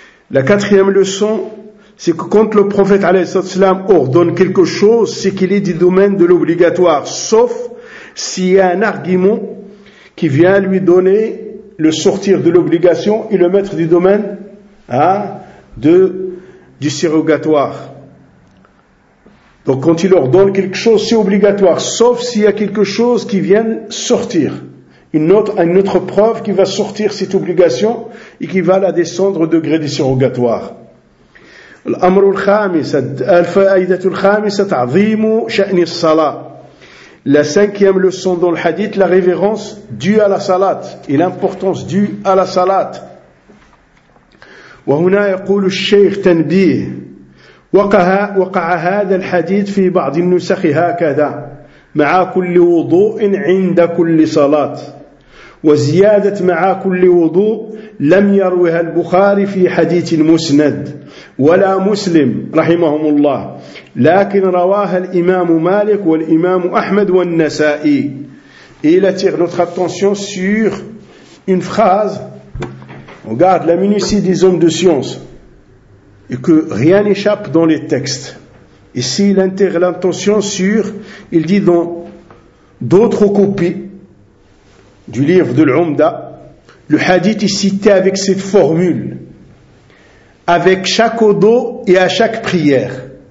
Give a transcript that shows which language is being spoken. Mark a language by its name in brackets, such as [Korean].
[French] La quatrième leçon, c'est que quand le prophète alayhi salam ordonne quelque chose, c'est qu'il est du domaine de l'obligatoire, sauf s'il y a un argument qui vient lui donner le sortir de l'obligation et le mettre du domaine du surrogatoire. Donc quand il ordonne quelque chose, c'est obligatoire, sauf s'il y a quelque chose qui vient sortir. Une autre preuve qui va sortir cette obligation et qui va la descendre au degré du surrogatoire. [Arabic] الأمر الخامس الفائدة الخامسة تعظيم شأن الصلاة. [French] La cinquième leçon dans le hadith, la révérence due à la salat et l'importance due à la salat. [Arabic] وهنا يقول الشيخ تنبيه وقع هذا الحديث في بعض النسخ هكذا مع كل وضوء عند كل صلاة وزيادة مع كل وضوء لم يروها البخاري في حديث المسند ولا مسلم رحمهم الله لكن رواها الإمام مالك والإمام أحمد والنسائي. [French] Il attire notre attention sur une phrase On garde la minutie des hommes de science et que rien n'échappe dans les textes. Ici, l'intention sur, il dit dans d'autres copies du livre de l'Umda, le hadith est cité avec cette formule, avec chaque odo et à chaque prière.